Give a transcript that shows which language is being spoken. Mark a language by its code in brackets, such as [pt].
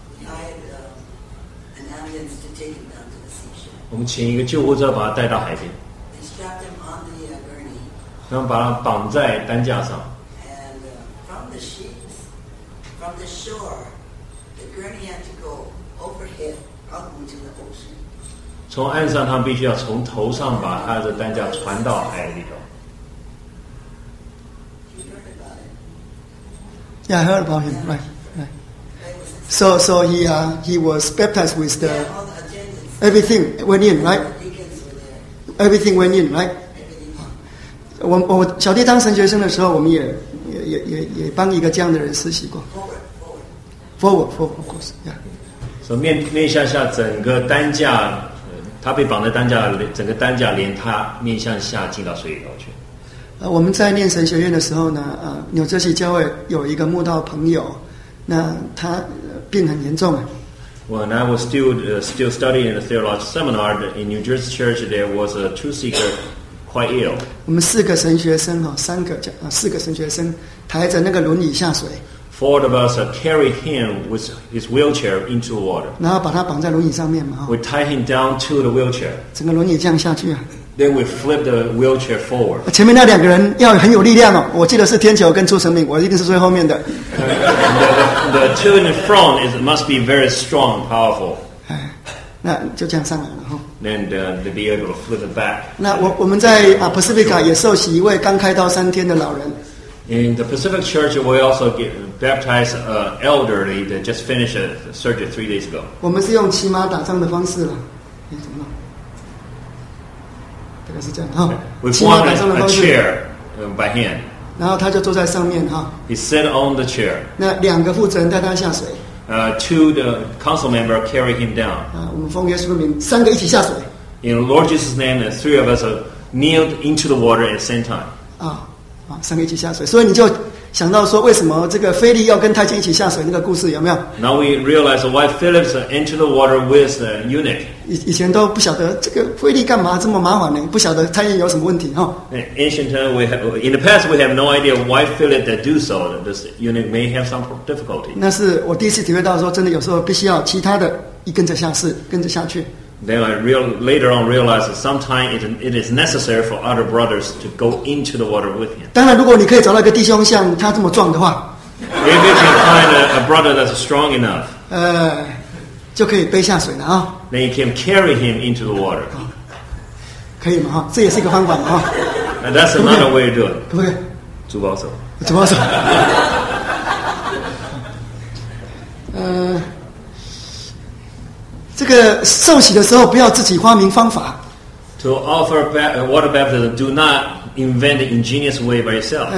[en] Hired an ambulance to take him down to the seashore. [zh] 我们请一个救护车把他带到海边。 [en] They strapped him on the gurney. [zh] 然后把他绑在担架上。 [en] And from the shore, the gurney had to go overhead out into the ocean. [zh] 从岸上，他必须要从头上把他的担架传到海里头。 [en] Yeah, I heard about him. Right. So he was baptized with the everything went in, right? Everything went in, right? [zh] 我小弟当神学生的时候，我们也帮一个这样的人实习过。 [en] Forward, of course, yeah. [zh] So 面向下整个担架。他被绑在担架，整个担架连他面向下进到水里头去。我们在念神学院的时候呢，纽泽西教会有一个慕道朋友，那他病很严重。 [en] When I was still studying in the theological seminar in New Jersey Church, there was a truth seeker quite ill. [zh] 我们四个神学生四个神学生抬着那个轮椅下水。 [en] Four of us carry him with his wheelchair into the water. [zh] 然后把他绑在轮椅上面嘛。 [en] We tie him down to the wheelchair. [zh] 整个轮椅这样下去啊。 [en] Then we flip the wheelchair forward. [zh] 前面那两个人要很有力量哦。我记得是天球跟出生命，我一定是最后面的。 [en] The two in the front must be very strong, powerful. [zh] 那就这样上来了哈。 [en] Then they be able to flip it back. [zh] 那我们在Pacifica也受洗一位刚开刀三天的老人。 [en] In the Pacific Church, we also baptize an elderly that just finished a surgery 3 days ago. [zh] 我们是用骑马打仗的方式了，你怎么弄？大概是这样哈。 [en] We formed a chair by hand. [zh] 然后他就坐在上面哈。 [en] He sat on the chair. [zh] 那两个负责人带他下水。 [en] Two the council member carry him down. [zh] 我们奉耶稣的名，三个一起下水。 [en] In Lord Jesus' name, the three of us kneeled into the water at the same time. [zh] 三个一起下水，所以你就想到说，为什么这个菲利要跟太监一起下水那个故事有没有 [en] ？Now we realize why Philip entered the water with the eunuch. [zh] 以前都不晓得这个菲利干嘛这么麻烦呢？不晓得太监有什么问题哈、 [en] 哦。Ancient time in the past we have no idea why Philip did do so. This eunuch may have some difficulty. [zh] 那是我第一次体会到说，真的有时候必须要其他的一跟着下去。 [en] Then I later on realized that sometimes it is necessary for other brothers to go into the water with him. [zh] 当然，如果你可以找到一个弟兄像他这么壮的话 [en] ，if you can find a brother that's strong enough， [zh] 就可以背下水了啊。 [en] Then you can carry him into the water. [zh] 可以吗？哈，这也是一个方法嘛，哈。 [en] And that's another way to do it. [zh] 可不可以？主保守。主保守。这个受洗的时候不要自己发明方法。 [en] To offer water baptism, do not invent an ingenious way by yourself.